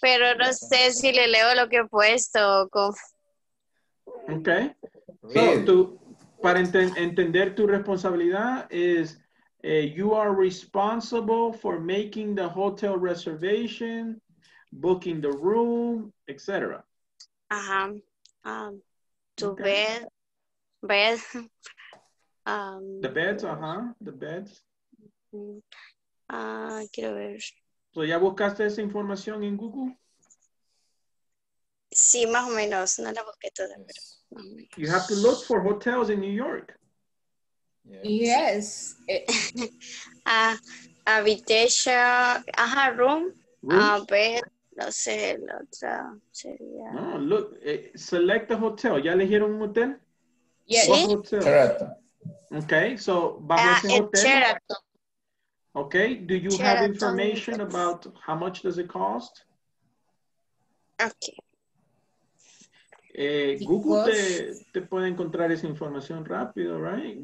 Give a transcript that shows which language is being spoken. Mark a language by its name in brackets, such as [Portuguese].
[Spanish] Pero no sé si le leo lo que he puesto. [English] Okay. So, [Spanish] para entender tu responsabilidad [English] is you are responsible for making the hotel reservation, booking the room, etc. Ajá. Bed. The beds, ajá. The beds. [Spanish] Quiero ver. So, ¿ya buscaste esa información en Google? Sí, más o menos. No la busqué toda, yes. Pero más o menos. [English] You have to look for hotels in New York. Yes. Yes. [Spanish] habitation, ajá, room. Bed, no sé, el otro sería. [English] No, look, select the hotel. [Spanish] ¿Ya eligieron un hotel? [English] Yes. [Spanish] ¿Sí? Hotel? Sheraton. Okay, so, ¿bajo ese hotel? Sheraton. [English] Okay, do you have information about how much does it cost? Okay. [Spanish] Google te puede encontrar esa información rápido, right?